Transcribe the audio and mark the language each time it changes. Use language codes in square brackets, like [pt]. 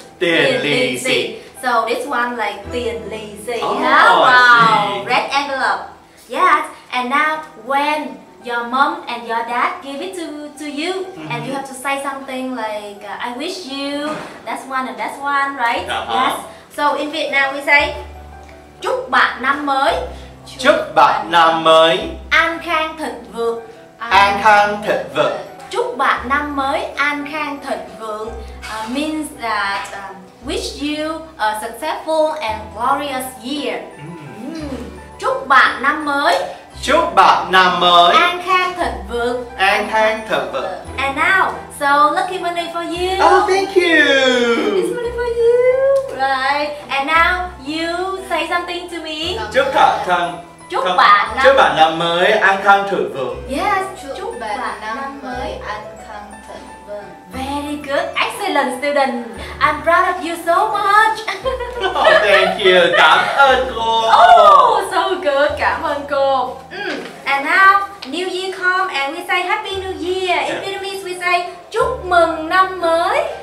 [vi] Tiền lì xì. [en] So this one like tiền lì xì. Oh, huh? Wow. Red envelope. Yes. And now when your mom and your dad give it to you, mm-hmm. and you have to say something like I wish you that's one and that's one, right? Uh-huh. Yes. So in Vietnam we say [vi] chúc bạn năm mới. Chúc bạn năm mới. An khang thịnh vượng. An khang thịnh vượng. Chúc bạn năm mới an khang thịnh vượng [en] means that wish you a successful and glorious year. [vi] bạn năm mới. Chúc bạn năm mới. An khang thịnh vượng. An khang thịnh vượng. [en] And now, so lucky money for you. Oh, thank you. It's money for you. Right. And now, you say something to me. [vi] Chúc bạn thân. Chúc bạn năm mới. Chúc bạn năm mới an khang thịnh vượng. [en] Yes. [vi] Chúc bạn năm mới an khang thịnh vượng. [en] Very good. Excellent student. I'm proud of you so much. Oh, thank you. [vi] Cảm ơn cô. [en] Oh, so good. [vi] Cảm ơn cô. [en] And now, New Year come and we say Happy New Year. In Vietnamese, we say [vi] Chúc mừng năm mới.